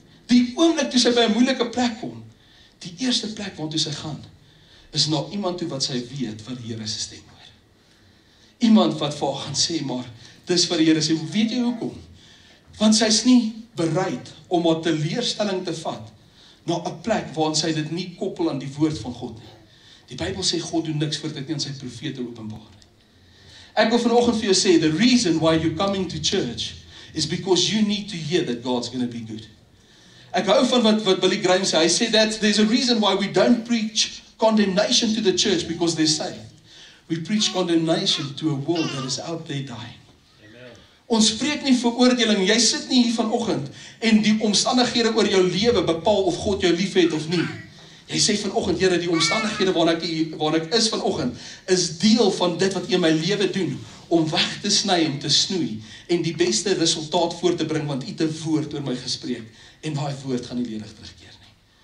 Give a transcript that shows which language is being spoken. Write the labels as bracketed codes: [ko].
[af] Die oomblik toe sy by 'n moeilike plek kom, die eerste plek waartoe sy gaan, is na iemand toe wat sy weet wat die Here se stem hoor. Iemand wat vir haar gaan sê, maar dis wat die Here sê. Weet jy hoekom? Want sy is nie bereid om haar teleurstelling te vat na 'n plek waarin sy dit nie koppel aan die woord van God nie. Die Bybel sê God doen niks voordat hy aan sy profete openbaar. Ek wil vanoggend vir jou sê, [en] the reason why you're coming to church is because you need to hear that God's going to be good. [af] Ek hou van wat Billy Graham sê, hy sê [en] that there's a reason why we don't preach condemnation to the church because they're saved. We preach condemnation to a world that is out there dying. Amen. [af] Ons spreek nie veroordeling, jy sit nie hier vanoggend en die omstandighede oor jou lewe bepaal of God jou lief het of nie. Jy sê vanoggend, Here, die omstandighede waarin ek is vanoggend, is deel van dit wat in my lewe doen, om weg te sny en te snoei, en die beste resultaat voor te bring, want u te woord oor my gespreek, en waar die woord gaan nie ledig terugkeer nie.